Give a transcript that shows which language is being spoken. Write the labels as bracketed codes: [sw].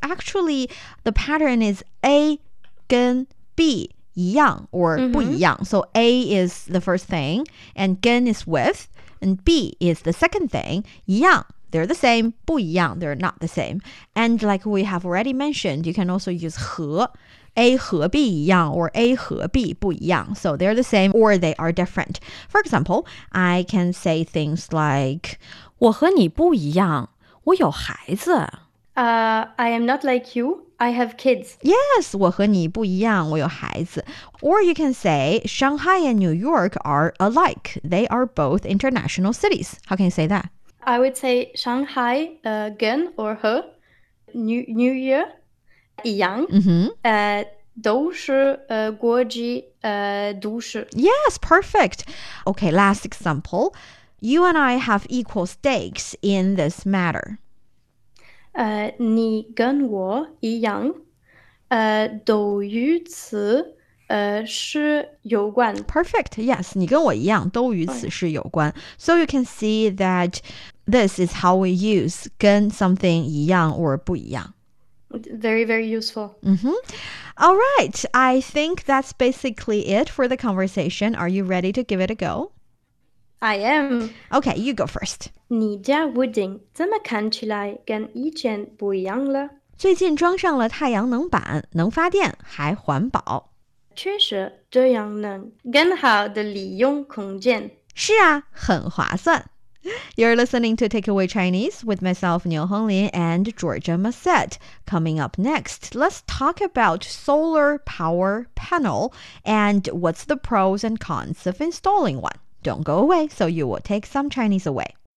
[en] Actually, the pattern is A,跟 B 一样 or 不一样 So A is the first thing and 跟 is with and B is the second thing 一样 they're the same 不一样 they're not the same and like we have already mentioned you can also use 和 A 和 B 一样 or A 和 B 不一样 So they're the same or they are different For example I can say things like [zh] 我和你不一样我有孩子 [en] I am not like you. I have kids. [zh] Yes, 我和你不一样，我有孩子。 [en] Or you can say, Shanghai and New York are alike. They are both international cities. How can you say that? I would say Shanghai, 跟 or 和 New Year, 一样。 Mm-hmm. [zh] 都是国际都市。 [en] Yes, perfect. Okay, last example. You and I have equal stakes in this matter. [zh] 你跟我一样都与此是有关 [en] Perfect, yes, [zh] 你跟我一样都与此是有关 [en] So you can see that this is how we use 跟 something 一样 or 不一样 Very, very useful、 mm-hmm. All right, I think that's basically it for the conversation Are you ready to give it a go? I am Okay, you go first [zh] 你家屋顶怎么看起来跟以前不一样了？最近装上了太阳能板，能发电还环保。确实，这样能更好地利用空间。是啊，很划算。 [en] You're listening to Takeaway Chinese with myself, Niu Honglin, and Georgia Massette. Coming up next, let's talk about solar power panel and what's the pros and cons of installing one. Don't go away, so you will take some Chinese away.